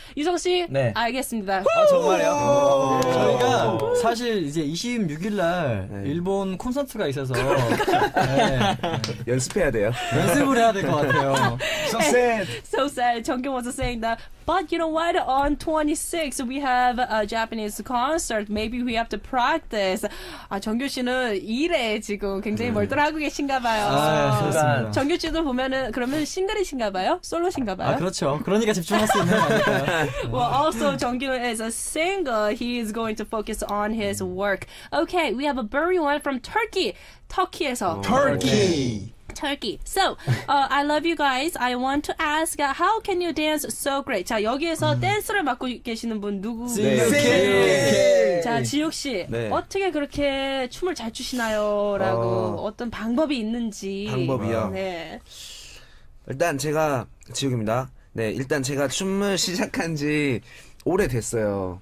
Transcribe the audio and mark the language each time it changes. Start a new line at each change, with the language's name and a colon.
Korean: Yusung 씨, 네. 알겠습니다. 아, 정말요? 저희가 사실 이제 26일 날 일본 콘서트가 있어서 네. 연습해야 돼요. 연습을 해야 될 것 같아요.
English: So sad. So sad. 정규 was saying that. But you know what? On 26th, we have a Japanese concert. Maybe we have to practice.
Korean: 아, 정규 씨는 일에 지금 굉장히 멀더라고 계신가 봐요. 아, 그렇습니다. 정규 씨도 보면은 그러면 싱글이신가 봐요? 솔로신가 봐요? 아, 그렇죠. 그러니까 집중할 수 있는 거니까요.
English: Well, also, 정규 is a single. He is going to focus on his work. Okay, we have a very one from Turkey. 터키에서. Turkey! Turkey. So, I love you guys. I want to ask, how can you dance so great?
Korean: 자, 여기에서 댄스를 맡고 계시는 분 누구? 지혁 네. 자, 지혁 씨. 네. 어떻게 그렇게 춤을 잘 추시나요? 라고 어떤 방법이 있는지. 방법이요? 네. 일단 제가, 지혁입니다. 네, 일단 제가 춤을 시작한 지 오래됐어요.